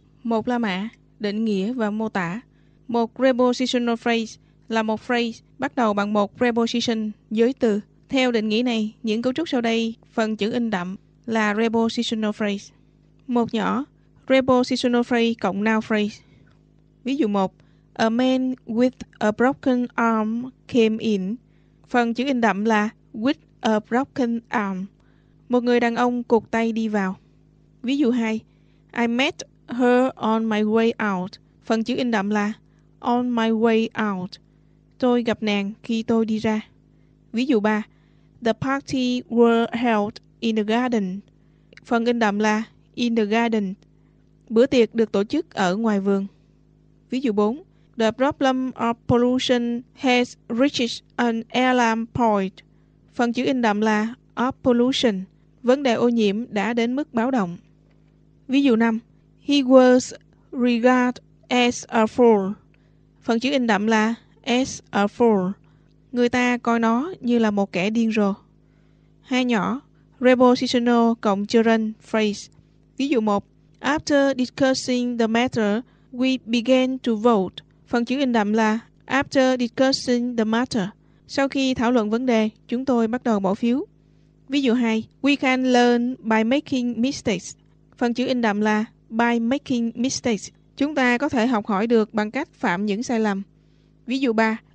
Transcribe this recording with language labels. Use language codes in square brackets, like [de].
[vi] Một La Mã, định nghĩa và mô tả. Một prepositional phrase là một phrase bắt đầu bằng một preposition, giới từ. Theo định nghĩa này, những cấu trúc sau đây, phần chữ in đậm là prepositional phrase. Một nhỏ, prepositional phrase cộng noun phrase. Ví dụ 1. [en] A man with a broken arm came in. [vi] Phần chữ in đậm là [en] with a broken arm. [vi] Một người đàn ông cụt tay đi vào. Ví dụ 2. [en] I met her on my way out. [vi] Phần chữ in đậm là [en] on my way out. [vi] Tôi gặp nàng khi tôi đi ra. Ví dụ 3. [en] The party were held in the garden. [vi] Phần in đậm là [en] in the garden. [vi] Bữa tiệc được tổ chức ở ngoài vườn. Ví dụ 4. [en] The problem of pollution has reached an alarm point. [vi] Phần chữ in đậm là [en] of pollution. [vi] Vấn đề ô nhiễm đã đến mức báo động. Ví dụ 5. [en] He was regarded as a fool. [vi] Phần chữ in đậm là [en] as a fool. [vi] Người ta coi nó như là một kẻ điên rồ. Hai nhỏ. Prepositional cộng gerund phrase. Ví dụ 1. [en] After discussing the matter, we began to vote. [vi] Phần chữ in đậm là [en] after discussing the matter. [vi] Sau khi thảo luận vấn đề, chúng tôi bắt đầu bỏ phiếu. Ví dụ 2. [en] We can learn by making mistakes. [vi] Phần chữ in đậm là [en] by making mistakes. [vi] Chúng ta có thể học hỏi được bằng cách phạm những sai lầm. Ví dụ 3.